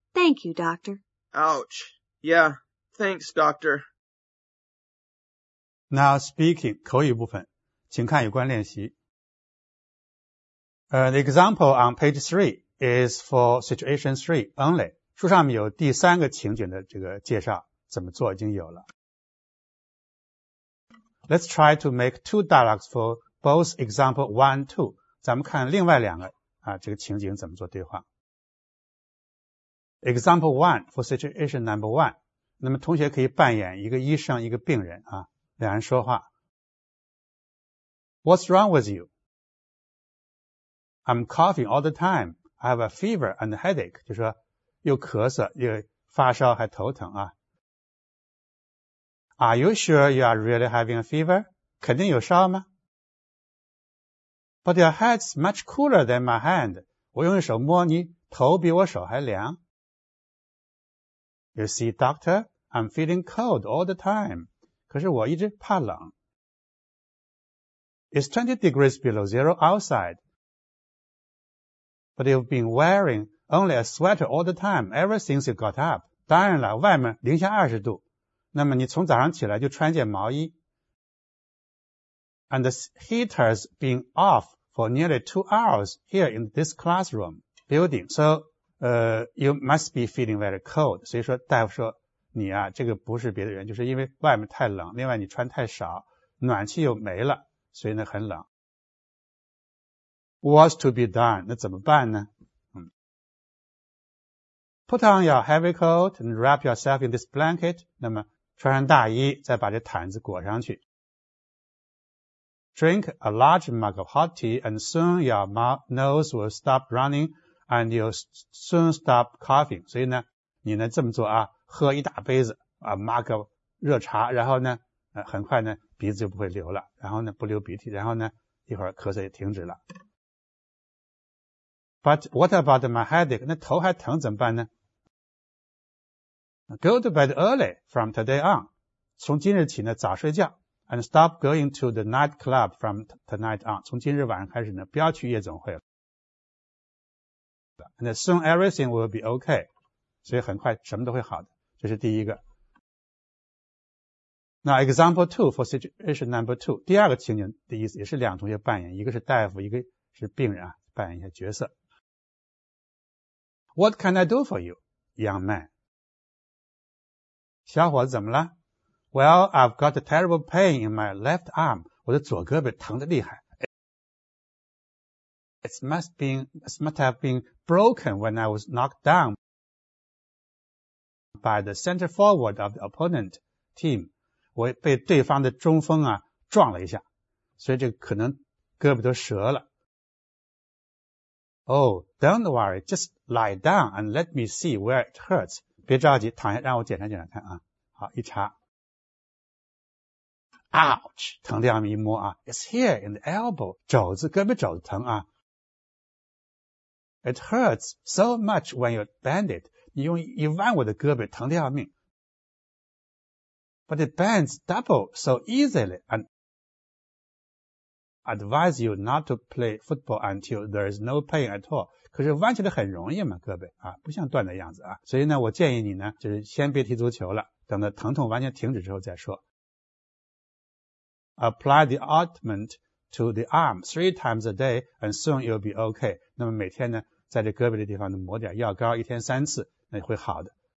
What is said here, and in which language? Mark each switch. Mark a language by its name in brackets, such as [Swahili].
[English] Thank you, doctor. Ouch. Yeah, thanks, doctor. Now speaking, [Chinese] 口语部分，请看有关练习。 [English] The example on page 3 is for situation 3 only. [Chinese] 书上面有第三个情景的这个介绍。怎么做已经有了。 [English] Let's try to make 2 dialogues for both example 1 and 2. [Chinese] 咱们看另外两个这个情景怎么做对话。 [English] Example 1 for situation number 1. [Chinese] 那么同学可以扮演一个医生一个病人两人说话。 [English] What's wrong with you? I'm coughing all the time. I have a fever and a headache. [Chinese] 就说又咳嗽又发烧还头疼 [English] Are you sure you are really having a fever? [Chinese] 肯定有烧吗 [English] ?But your head's much cooler than my hand. [Chinese] 我用手摸你头比我手还凉。 [English] You see, doctor, I'm feeling cold all the time. [Chinese] 可是我一直怕冷。 [English] It's 20 degrees below zero outside. But you've been wearing only a sweater all the time ever since you got up. [Chinese] 当然了外面零下20度。那么你从早上起来就穿件毛衣。 [English] And the heater's been off for nearly 2 hours here in this classroom building. So, you must be feeling very cold. [Chinese] 所以说大夫说你啊，这个不是别的原因，就是因为外面太冷，另外你穿太少，暖气又没了，所以呢很冷。 [English] What's to be done? [Chinese] 那怎么办呢？ [English] Put on your heavy coat and wrap yourself in this blanket. [Chinese] 那么穿上大衣，再把这毯子裹上去。 [English] Drink a large mug of hot tea and soon your nose will stop running and you'll soon stop coughing. [Chinese] 所以呢，你呢这么做啊，喝一大杯子啊 ，mug 热茶，然后呢，很快呢鼻子就不会流了，然后呢不流鼻涕，然后呢一会儿咳嗽也停止了。 [English] But what about my headache? [Chinese] 那头还疼怎么办呢？ [English] Go to bed early from today on. [Chinese] 从今日起呢早睡觉。 [English] And stop going to the nightclub from tonight on. [Chinese] 从今日晚上开始呢不要去夜总会了。 [English] And soon everything will be okay. [Chinese] 所以很快什么都会好的。这是第一个。 [English] Now example two for situation number two. [Chinese] 第二个情景的意思也是两同学扮演，一个是大夫，一个是病人啊，扮演一下角色。 [English] What can I do for you, young man? [Chinese] 小伙子怎么了？ [English] Well, I've got a terrible pain in my left arm. [Chinese] 我的左胳膊疼得厉害。 [English] It must have been broken when I was knocked down by the center forward of the opponent team. [Chinese] 我被对方的中锋啊撞了一下，所以这可能胳膊都折了。 [English] Oh, don't worry, just lie down and let me see where it hurts. [Chinese] 别着急，躺下让我检查检查看啊。好，一查。 Ouch, 疼得要命，一摸啊。 [English] It's here in the elbow, [Chinese] 肘子，胳膊肘子疼啊。 [English] It hurts so much when you bend it. [Chinese] 你用一弯我的胳膊疼得要命。 [English] But it bends double so easily andAdvise you not to play football until there is no pain at all. [Chinese] 可是弯起来很容易嘛，胳膊啊，不像断的样子啊。所以呢，我建议你呢，就是先别踢足球了，等到疼痛完全停止之后再说。 [English] Apply the ointment to the arm 3 times a day, and soon you'll be okay. [Chinese] 那么每天呢，在这胳膊的地方呢抹点药膏，一天三次，那会好的。